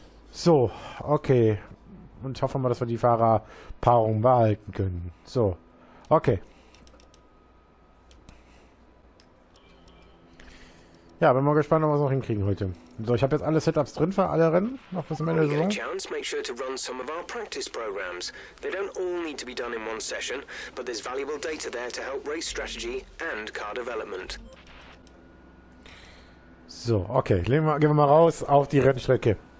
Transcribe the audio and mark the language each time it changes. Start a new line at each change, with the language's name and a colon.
German: So, okay. Und ich hoffe mal, dass wir die Fahrerpaarung behalten können. So, okay. Ja, bin mal gespannt, ob wir es noch hinkriegen heute. So, ich habe jetzt alle Setups drin für alle Rennen. Noch bis zum Ende der Saison.
English: Make sure to run some of our practice programs. They don't all need to be done in one session, but there's valuable data there to help race strategy and car development.
German: So, okay. Gehen wir mal raus auf die Rennstrecke.